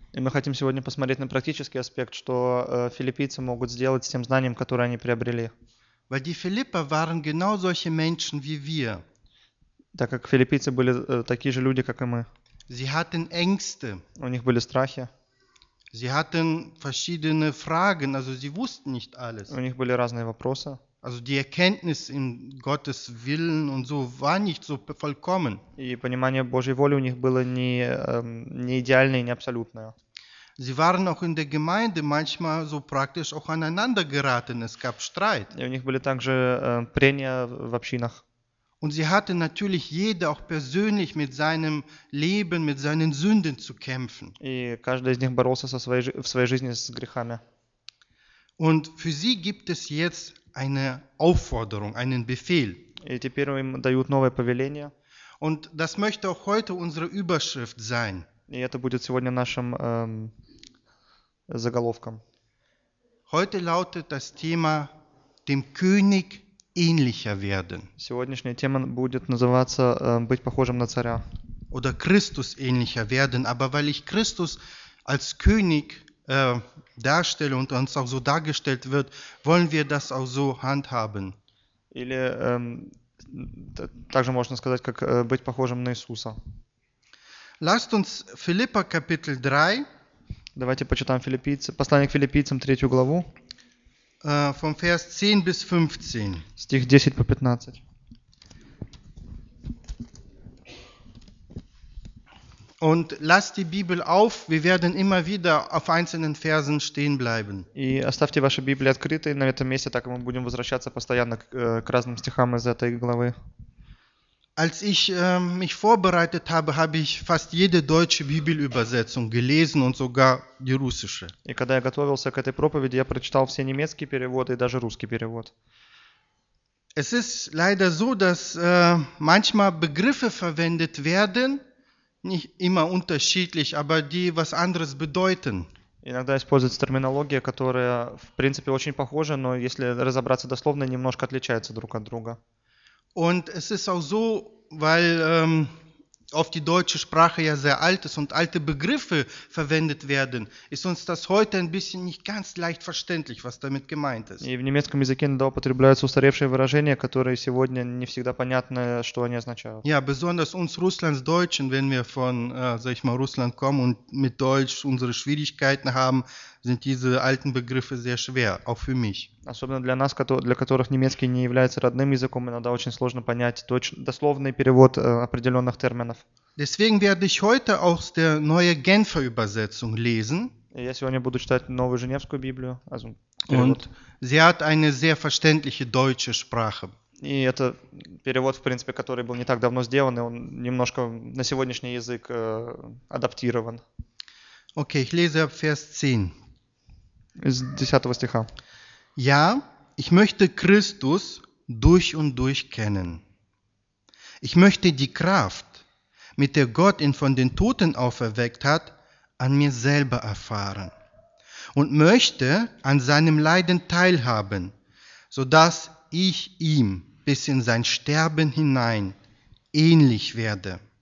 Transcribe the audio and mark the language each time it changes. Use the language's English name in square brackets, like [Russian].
[Russian] И мы хотим сегодня посмотреть на практический аспект, что филиппийцы могут сделать с тем знанием, которое они приобрели. [German] Weil die Philipper waren genau solche Menschen wie wir. [Russian] Так как филиппийцы были такие же люди, как и мы. [German] Sie hatten Ängste. [Russian] У них были страхи. [German] Sie hatten verschiedene Fragen, also sie wussten nicht alles. [Russian] У них были разные вопросы. [German] Also die Erkenntnis in Gottes Willen und so war nicht so vollkommen. [Russian] И понимание Божьей воли у них было не идеальное, не абсолютное. [German] Sie waren auch in der Gemeinde manchmal so praktisch auch aneinander geraten. Es gab Streit. [Russian] И у них были также прения в общинах. [German] Und sie hatte natürlich jeder auch persönlich mit seinem Leben, mit seinen Sünden zu kämpfen. [Russian] И каждый из них боролся со своей в своей жизни с грехами. [German] Und für sie gibt es jetzt eine Aufforderung, einen Befehl. [Russian] И теперь им дают новое повеление. [German] Und das möchte auch heute unsere Überschrift sein. [Russian] И это будет сегодня нашим заголовком. [German] Heute lautet das Thema «Dem König ähnlicher werden». [Russian] Сегодняшняя тема будет называться «Быть похожим на царя». [German] Oder «Christus ähnlicher werden». Aber weil ich Christus als König darstelle und uns auch so dargestellt wird, wollen wir das auch so handhaben. [Russian] Или также можно сказать, как быть похожим на Иисуса. [German] Lasst uns Philipper Kapitel 3. [Russian] Давайте почитаем Послание к Филиппийцам, 3 главу. [German] Vom Vers 10 bis 15. [Russian] Стих 10 по 15. [German] Und lass die Bibel auf, wir werden immer wieder auf einzelnen Versen stehen bleiben. [Russian] И оставьте ваши Библии открытой на этом месте, так мы будем возвращаться постоянно к разным стихам из этой главы. [German] Als ich mich vorbereitet habe, habe ich fast jede deutsche Bibelübersetzung gelesen und sogar die russische. [Russian] И когда я готовился к этой проповеди, я прочитал все немецкие переводы и даже русский перевод. [German] Es ist leider so, dass manchmal Begriffe verwendet werden, nicht immer unterschiedlich, aber die was anderes bedeuten. [Russian] Иногда используется терминология, которая в принципе очень похожа, но если разобраться дословно, немножко отличается друг от друга. [German] Und es ist auch so, weil oft die deutsche Sprache ja sehr alt ist und alte Begriffe verwendet werden, ist uns das heute ein bisschen nicht ganz leicht verständlich, was damit gemeint ist. [Russian] И в немецком языке иногда употребляются устаревшие выражения, которые сегодня не всегда понятно, что они означают. [German] Ja, besonders uns Russlandsdeutschen, wenn wir von, sag ich mal, Russland kommen und mit Deutsch unsere Schwierigkeiten haben, sind diese alten Begriffe sehr schwer, auch für mich. [Russian] Особенно для нас, для которых немецкий не является родным языком, иногда очень сложно понять дословный перевод определенных терминов. [German] Deswegen werde ich heute auch die neue Genfer Übersetzung lesen. [Russian] Я сегодня буду читать новую Женевскую Библию. [German] Also Und sie hat eine sehr verständliche deutsche Sprache. [Russian] И это перевод, в принципе, который был не так давно сделан, и он немножко на сегодняшний язык адаптирован. [German] Okay, ich lese ab Vers 10. [Russian] Из 10 стиха. [German] Ja, ich möchte Christus durch und durch kennen. Ich möchte die Kraft, mit der Gott ihn von den Toten auferweckt hat, an mir selber erfahren und möchte an seinem Leiden teilhaben, sodass ich ihm bis in sein Sterben hinein ähnlich werde.